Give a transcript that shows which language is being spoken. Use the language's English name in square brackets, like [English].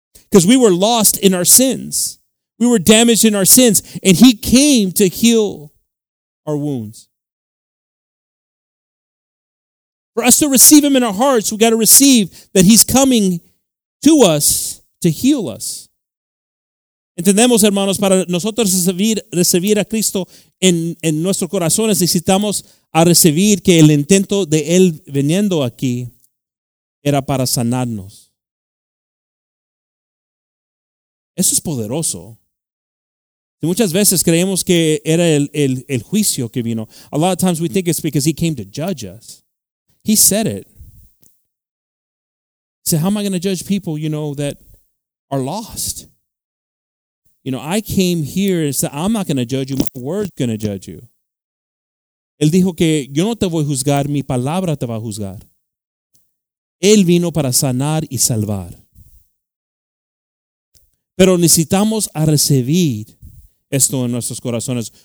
[English] Because we were lost in our sins. We were damaged in our sins. And he came to heal our wounds. For us to receive him in our hearts, we've got to receive that he's coming to us to heal us. [Spanish] Entendemos, hermanos, para nosotros recibir a Cristo en nuestros corazones, necesitamos a recibir que el intento de él veniendo aquí era para sanarnos. Eso es poderoso. Y muchas veces creemos que era el juicio que vino. [English] A lot of times we think it's because he came to judge us. He said it. He said, how am I going to judge people, you know, that are lost? You know, I came here and said, I'm not going to judge you. My word's going to judge you. [Spanish] Él dijo que yo no te voy a juzgar, mi palabra te va a juzgar. Él vino para sanar y salvar. Pero necesitamos a recibir esto en nuestros corazones.